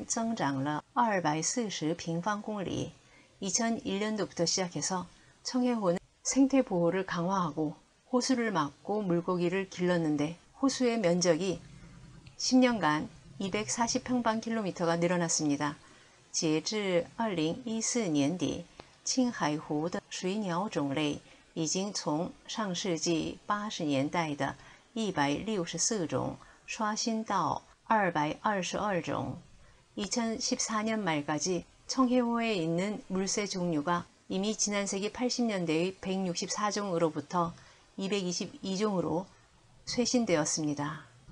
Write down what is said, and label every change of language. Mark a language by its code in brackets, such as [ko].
[zh] 从2001年开始，青海湖加大生态保护，丰湖鳉鱼、水域面积10年间增长了240平方公里。 [ko] 2001년도부터 시작해서 청해호는 생태보호를 강화하고 호수를 막고 물고기를 길렀는데 호수의 면적이 10년간 240평방킬로미터가 늘어났습니다. [zh] 截至2014年底, 青海湖的水鸟种类已经从上世纪80年代的164种刷新到222种. [ko] 2014년 말까지 청해호에 있는 물새 종류가 이미 지난 세기 80년대의 164종으로부터 222종으로 쇄신되었습니다.